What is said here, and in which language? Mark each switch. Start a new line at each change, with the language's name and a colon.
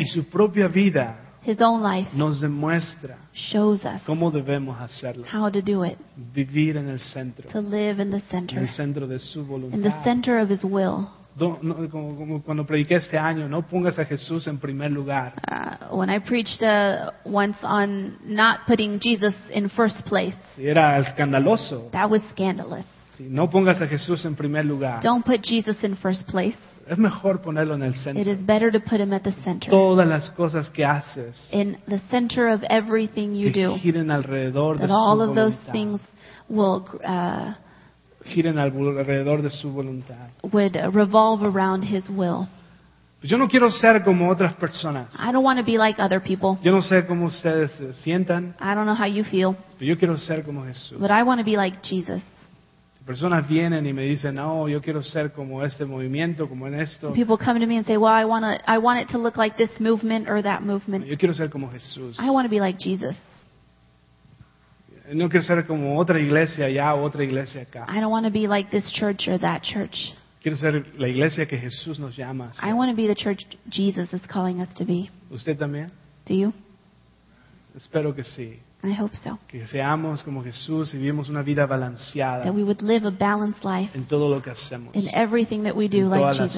Spanish: Y su propia vida.
English: His own life.
Spanish: Nos demuestra.
English: Shows us.
Spanish: Cómo debemos hacerlo.
English: How to do it.
Spanish: Vivir en el centro.
English: To live in the center.
Spanish: En el centro de su voluntad.
English: In the center of His will.
Spanish: Como cuando prediqué este año, no pongas a Jesús en primer lugar.
English: When I preached once on not putting Jesus in first place.
Spanish: Era escandaloso.
English: That was scandalous.
Spanish: Sí, no pongas a Jesús en primer lugar.
English: Don't put Jesus in first place.
Spanish: Es mejor ponerlo en el centro.
English: It is better to put him at the center.
Spanish: Todas las cosas que haces.
English: In the center of everything you do.
Spanish: Que giren alrededor de su
English: That all of those things will
Spanish: giren alrededor de su voluntad.
English: Would revolve around his will.
Spanish: Yo no quiero ser como otras personas.
English: I don't want to be like other people.
Spanish: Yo no sé cómo ustedes se sientan.
English: I don't know how you feel.
Spanish: Pero yo quiero ser como Jesús.
English: But I want to be like Jesus.
Spanish: Personas vienen y me dicen, no, yo quiero ser como este movimiento, como en esto.
English: People come to me and say, well, I want it to look like this movement or that movement.
Spanish: Yo quiero ser como Jesús.
English: I want to be like Jesus.
Spanish: No quiero ser como otra iglesia allá o otra iglesia acá.
English: I don't want to be like this church or that church.
Spanish: Quiero ser la iglesia que Jesús nos llama a ser.
English: I want to be the church Jesus is calling us to be.
Spanish: ¿Usted también?
English: Do you?
Spanish: Espero que sí.
English: I hope so.
Spanish: Que seamos como Jesús y vivimos una vida balanceada.
English: That we would live a balanced life.
Spanish: En todo lo que hacemos.
English: In everything that we do like Jesus.